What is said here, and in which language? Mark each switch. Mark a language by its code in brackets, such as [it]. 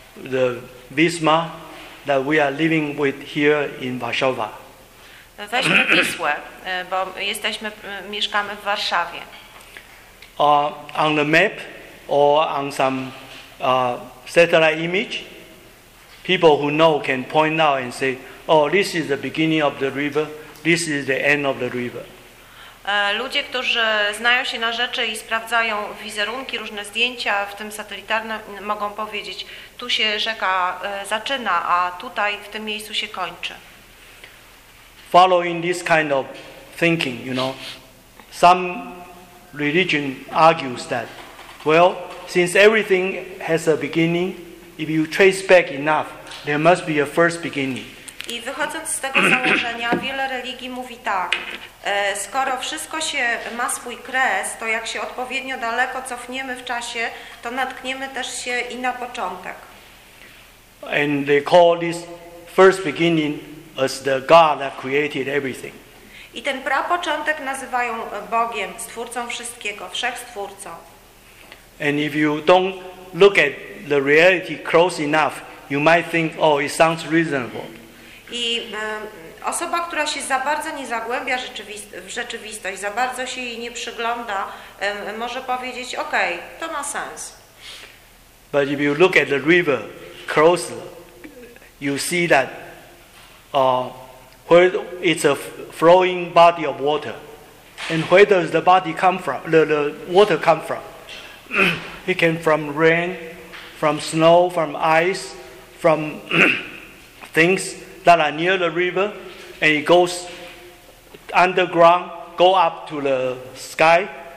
[en] The Visma that we are living with here in Warszawa. [pl] Weźmy Wisłę, bo mieszkamy w Warszawie. [en] On the map or on some satellite image, people who know can point out and say, oh, this is the beginning of the river, this is the end of the river. [pl] Ludzie, którzy znają się na rzeczy i sprawdzają wizerunki, różne zdjęcia, w tym satelitarne, mogą powiedzieć, tu się rzeka zaczyna, a tutaj w tym miejscu się kończy. [en] Following this kind of thinking, you know, some religion argues that, well, since everything has a beginning, if you trace back enough, there must be a first beginning. [pl] I wychodząc z tego założenia, wiele religii mówi tak, skoro wszystko się ma swój kres, to jak się odpowiednio daleko cofniemy w czasie, to natkniemy też się i na początek. [en] And they call this first beginning as the God that created everything. [pl] I ten prapoczątek nazywają Bogiem, stwórcą wszystkiego, wszechstwórcą. [en] And if you don't look at the reality close enough, you might think, oh, it sounds reasonable. [pl] I osoba, która się za bardzo nie zagłębia w rzeczywistość, za bardzo się jej nie przygląda, może powiedzieć, okej, okay, to ma sens. [en] But if you look at the river closely, you see that where it's a flowing body of water. And where does the body come from, the water come from? It came from rain, from snow, from ice, from things that are near the river, and it goes underground, go up to the sky.